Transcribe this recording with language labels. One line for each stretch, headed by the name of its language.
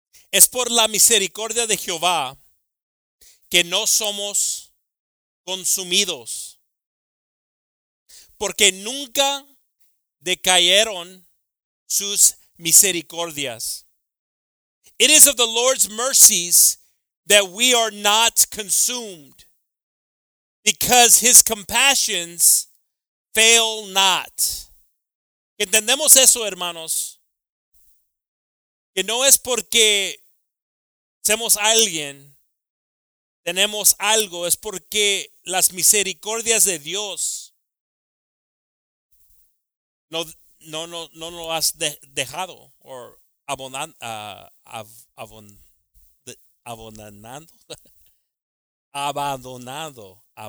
Spanish: Es por la misericordia de Jehová que no somos consumidos, porque nunca decayeron sus misericordias.
English: It is of the Lord's mercies that we are not consumed, because his compassions fail not.
Spanish: Entendemos eso, hermanos, que no es porque somos alguien, tenemos algo, es porque las misericordias de Dios no lo has dejado o abandonado.